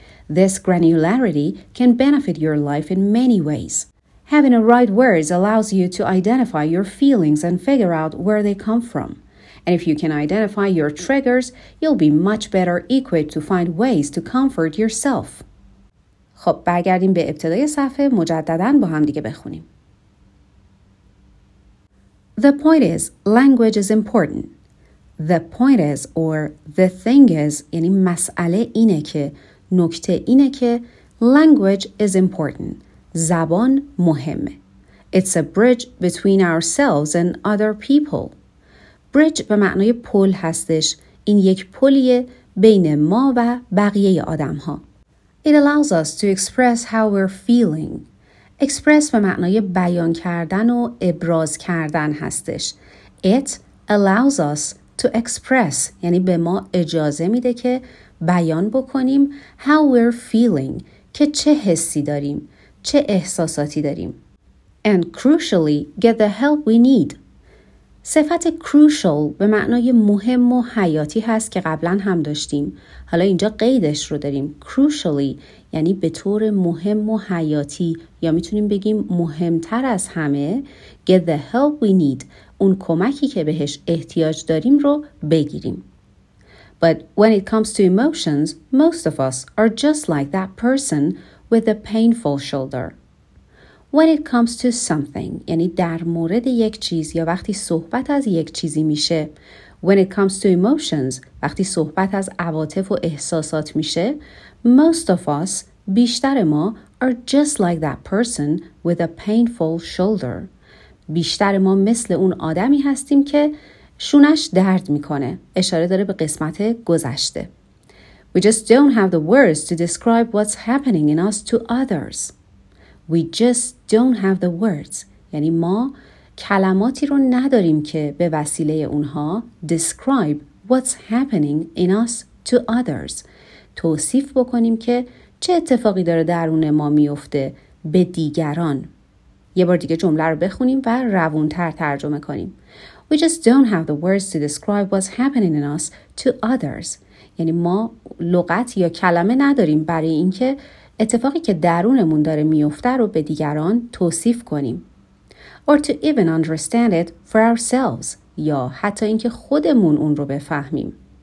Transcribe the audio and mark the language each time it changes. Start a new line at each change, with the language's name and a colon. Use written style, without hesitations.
English: This granularity can benefit your life in many ways. Having the right words allows you to identify your feelings and figure out where they come from. And if you can identify your triggers, you'll be much better equipped to find ways to comfort yourself.
Persian: خب برگردیم به ابتدای صفحه مجدداً با هم دیگه بخونیم.
English: The point is, language is important. The point is, or the thing is,
Persian: یعنی مسئله اینه که،
English: نکته اینه که، language is important.
Persian: زبان مهمه.
English: It's a bridge between ourselves and other people.
Persian: Bridge به معنای پل هستش. این یک پلیه بین ما و بقیه آدم ها.
English: It allows us to express how we're feeling.
Persian: Express به معنای بیان کردن و ابراز کردن هستش.
English: It allows us to express
Persian: یعنی به ما اجازه میده که بیان بکنیم
English: how we're feeling
Persian: که چه حسی داریم. چه احساساتی داریم.
English: And crucially, get the help we need.
Persian: صفت crucial به معنای مهم و حیاتی هست که قبلا هم داشتیم. حالا اینجا قیدش رو داریم. Crucially یعنی به طور مهم و حیاتی یا میتونیم بگیم مهمتر از همه.
English: Get the help we need.
Persian: اون کمکی که بهش احتیاج داریم رو بگیریم.
English: But when it comes to emotions, most of us are just like that person with a painful shoulder. When it comes to something,
Persian: یعنی در مورد یک چیز یا وقتی صحبت از یک چیزی میشه.
English: When it comes to emotions,
Persian: وقتی صحبت از عواطف و احساسات میشه.
English: Most of us,
Persian: بیشتر ما,
English: are just like that person with a painful shoulder.
Persian: بیشتر ما مثل اون آدمی هستیم که شونش درد میکنه. اشاره داره به قسمت گذشته.
English: We just don't have the words to describe what's happening in us to others. We just don't have the words.
Persian: یعنی ما کلماتی رو نداریم که به وسیله اونها
English: describe what's happening in us to others.
Persian: توصیف بکنیم که چه اتفاقی داره درون ما میفته به دیگران. یه بار دیگه جمله رو بخونیم و روونتر ترجمه کنیم.
English: We just don't have the words to describe what's happening in us to others.
Persian: یعنی ما لغت یا کلمه نداریم برای اینکه اتفاقی که درونمون داره میفته رو به دیگران توصیف کنیم.
English: Or to even understand it for ourselves.
Persian: یا حتی اینکه خودمون اون رو بفهمیم.